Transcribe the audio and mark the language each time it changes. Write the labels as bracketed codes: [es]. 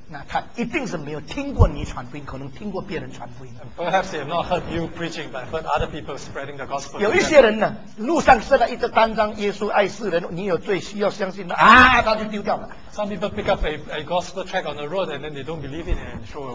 [zh] 那他一定是没有听过你传福音，可能听过别人传福音。 [en] Perhaps they have not heard you preaching, but heard other people spreading the gospel. [zh] 有一些人呢，路上设了一个单张，耶稣爱世人，你有罪需要相信的，他就丢掉了。 [en] Some people pick up a gospel track on the road and then they don't believe it and throw away.